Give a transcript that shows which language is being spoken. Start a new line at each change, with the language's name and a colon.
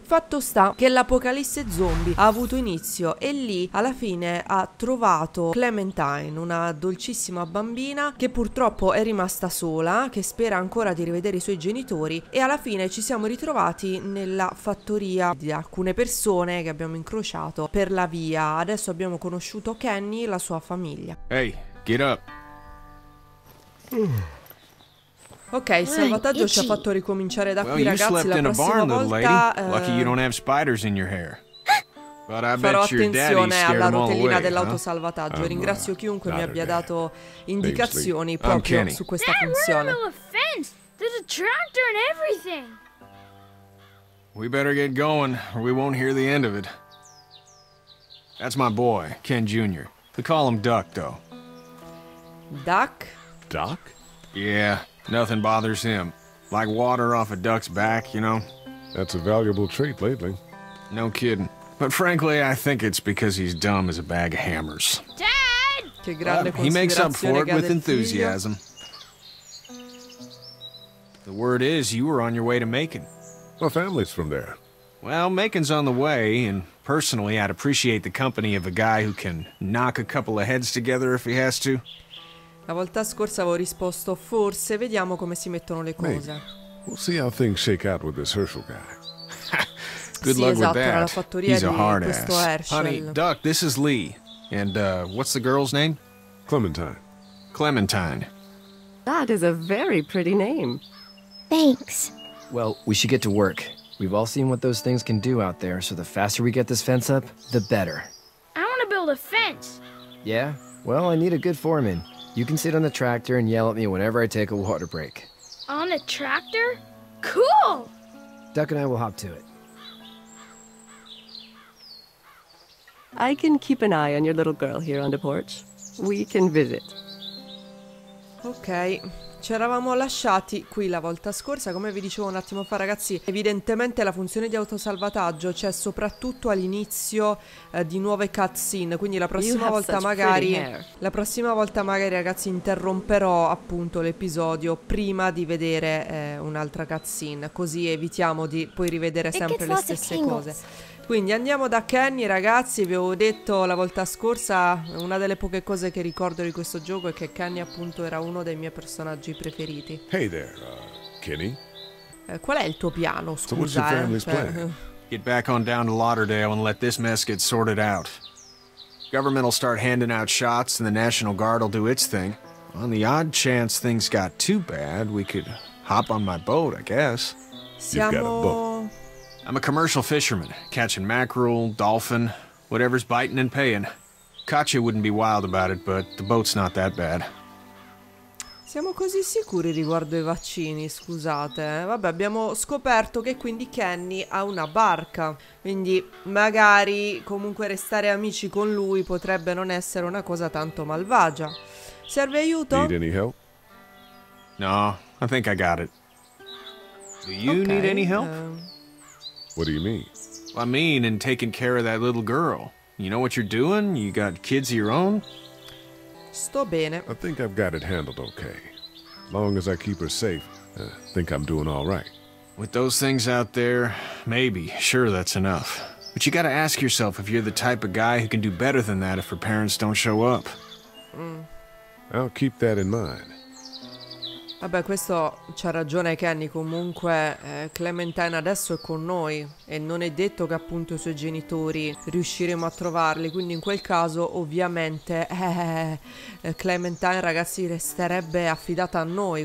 Italian: Fatto sta che l'apocalisse zombie ha avuto inizio e Lee alla fine ha trovato Clementine, una dolcissima bambina che purtroppo è rimasta sola, che spera ancora di rivedere i suoi genitori, e alla fine ci siamo ritrovati nella fattoria di alcune persone che abbiamo incrociato per la via. Adesso abbiamo conosciuto Kenny e la sua famiglia.
English: Hey, get up.
Italian: Ok, il salvataggio ci ha fatto ricominciare da qui ragazzi, la prossima volta
English: lucky you don't have spiders in your hair.
Italian: Farò attenzione alla rotellina dell'autosalvataggio. Ringrazio chiunque mi abbia dato indicazioni proprio su questa funzione.
English: That wasn't no offense. There's a tractor and everything. We better get going, or we won't hear the end of it. That's my boy, Ken Jr. We call him Duck, though. Duck? Duck? Yeah, nothing bothers him. Like water off a duck's back, you know? That's a valuable treat lately. No kidding. But frankly, I think it's because he's dumb as a bag of hammers. Dad! He makes up for it with enthusiasm. The word is, you were on your way to Macon. My family's from there. Well, Macon's on the way, and personally, I'd appreciate the company of a guy who can knock a couple of heads together if he has to.
Italian: La volta scorsa avevo risposto, forse, vediamo come si mettono le cose.
English: We'll see how things shake out with this Herschel guy. Good
Italian: sì,
English: luck
Italian: esatto,
English: with that. He's a hard ass. Honey, Duck, this is Lee. And what's the girl's name? Clementine. Clementine. That is a very pretty name. Thanks. Well, we should get to work. We've all seen what those things can do out there, so the faster we get this fence up, the better. I want to build a fence. Yeah? Well, I need a good foreman. You can sit on the tractor and yell at me whenever I take a water break. On the tractor? Cool! Duck and I will hop to it. I can keep an eye on your little girl here on the porch. We can visit.
Italian: Ok, ci eravamo lasciati qui la volta scorsa. Come vi dicevo un attimo fa ragazzi, evidentemente la funzione di autosalvataggio c'è soprattutto all'inizio di nuove cutscene. Quindi la prossima volta magari ragazzi interromperò appunto l'episodio prima di vedere un'altra cutscene, così evitiamo di poi rivedere sempre le stesse cose. Quindi andiamo da Kenny ragazzi, vi avevo detto la volta scorsa, una delle poche cose che ricordo di questo gioco è che Kenny appunto era uno dei miei personaggi preferiti.
English: Hey there, Kenny.
Italian: Qual è il tuo piano, scusa?
English: So what's your family's plan? Get back on down to Lauderdale and let this mess get sorted out. Government will start handing out shots and the National Guard will do its thing. On the odd chance things got too bad, we could hop on my boat, I guess. I'm a commercial fisherman, catching mackerel, dolphin, whatever's biting and paying. Katya wouldn't be wild about it, but the boat's not that bad.
Italian: Siamo così sicuri riguardo ai vaccini, scusate. Vabbè, abbiamo scoperto che quindi Kenny ha una barca. Quindi magari comunque restare amici con lui potrebbe non essere una cosa tanto malvagia. Serve aiuto?
English: Need any help? No, I think I got it. Do you need any help? What do you mean? I mean, in taking care of that little girl. You know what you're doing? You got kids of your own?
Italian: Sto bene.
English: I think I've got it handled okay. Long as I keep her safe, I think I'm doing all right. With those things out there, maybe. Sure, that's enough. But you gotta ask yourself if you're the type of guy who can do better than that if her parents don't show up. I'll keep that in mind.
Italian: Vabbè, questo c'ha ragione Kenny, comunque Clementine adesso è con noi e non è detto che appunto i suoi genitori riusciremo a trovarli, quindi in quel caso ovviamente Clementine, ragazzi, resterebbe affidata a noi.